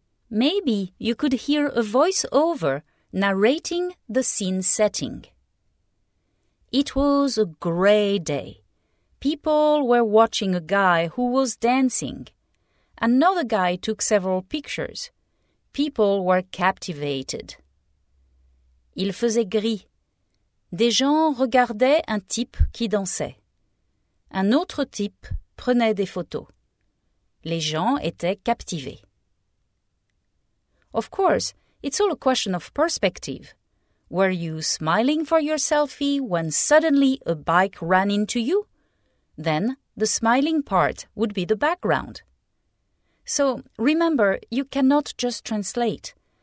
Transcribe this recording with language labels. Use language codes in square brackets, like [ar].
[en] Maybe you could hear a voiceover narrating the scene setting. It was a gray day. People were watching a guy who was dancing. Another guy took several pictures. People were captivated. [fr] Il faisait gris. Des gens regardaient un type qui dansait. Un autre type prenait des photos. Les gens étaient captivés. [en] Of course, it's all a question of perspective. Were you smiling for your selfie when suddenly a bike ran into you? Then the smiling part would be the background. So remember, you cannot just translate.